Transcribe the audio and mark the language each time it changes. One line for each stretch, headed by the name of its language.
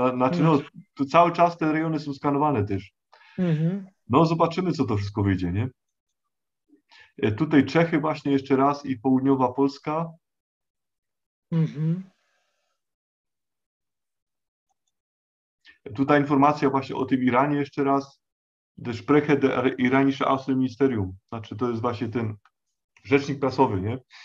Polish: Znaczy, no, tu cały czas te rejony są skanowane też. No, zobaczymy, co to wszystko wyjdzie, nie? Tutaj Czechy właśnie jeszcze raz i południowa Polska. Tutaj informacja właśnie o tym Iranie jeszcze raz.
German: Der Sprecher der iranische Außenministerium.
Polish: Znaczy to jest właśnie ten rzecznik prasowy, nie?